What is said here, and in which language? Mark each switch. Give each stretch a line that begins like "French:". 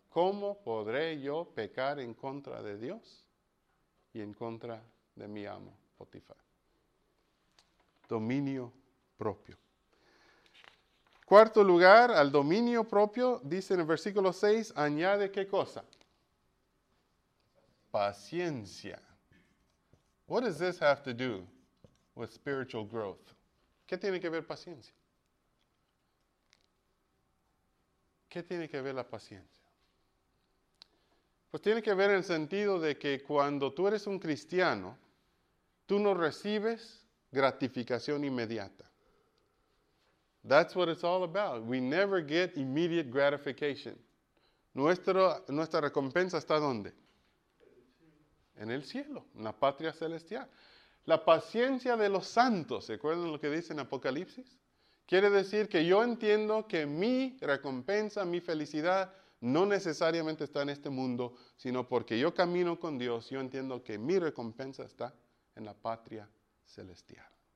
Spanish: ¿Cómo podré yo pecar en contra de Dios y en contra de mi amo, Potifar? Dominio propio. Cuarto lugar, al dominio propio, dice en el versículo 6, añade ¿qué cosa? Paciencia.
English: What does this have to do with spiritual growth?
Spanish: ¿Qué tiene que ver paciencia? ¿Qué tiene que ver la paciencia? Pues tiene que ver en el sentido de que cuando tú eres un cristiano, tú no recibes gratificación inmediata.
English: That's what it's all about. We never get immediate gratification.
Spanish: Nuestra recompensa está ¿dónde? En el cielo, en la patria celestial. La paciencia de los santos, ¿se acuerdan lo que dice en Apocalipsis? Quiere decir que yo entiendo que mi recompensa, mi felicidad, no necesariamente está en este mundo, sino porque yo camino con Dios, yo entiendo que mi recompensa está en la patria celestial.